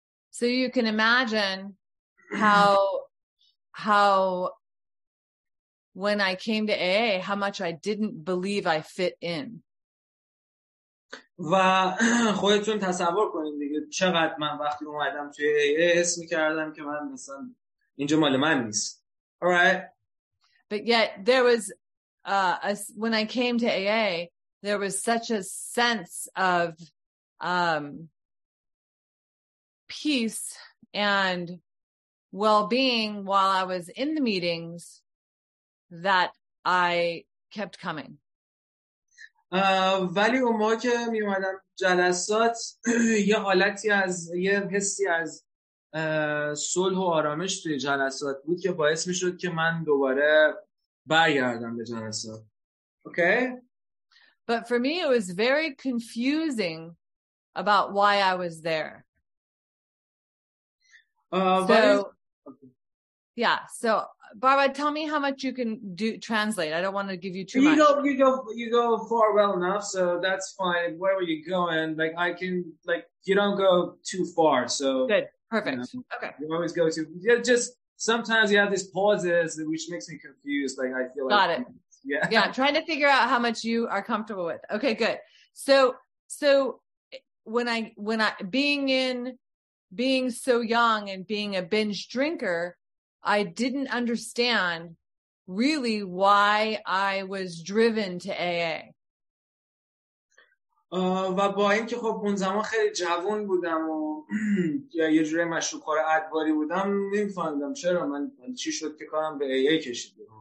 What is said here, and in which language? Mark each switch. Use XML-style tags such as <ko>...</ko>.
<en>So you can imagine how how when I came to AA, how much I didn't believe I fit in.</en> <fa>و خودتون تصور کنید دیگه چقدر من وقتی اومدم توی AA حس می‌کردم که من مثلا اینجا مال من نیست.</fa> <en>All right. But yet there was when I came to AA, there was such a sense of peace and well-being while I was in the meetings that I kept coming.</en> <fa>ولی اون موقع که می اومدم جلسات یه حالتی از یه حسی از صلح و آرامش توی جلسات بود که باعث میشد که من دوباره برگردم به جلسات.</fa> <en>Okay? But for me it was very confusing about why I was there. So Barbara, tell me how much you can do translate. I don't want to give you too much. You go far well enough, so that's fine. Where were you going? Like I can like you don't go too far, so good. Perfect. You know, okay. You always go to just sometimes you have these pauses which makes me confused. Like I feel got like it. Yeah, trying to figure out how much you are comfortable with. Okay, good. So when I being so young and being a binge drinker, I didn't understand really why I was driven to AA.</en> <fa>و با اینکه خب اون زمان خیلی جوان بودم و یه جوری مشروب خور ادواری بودم نمی‌فهمیدم چرا من چی شد که کارم به AA کشید.</fa>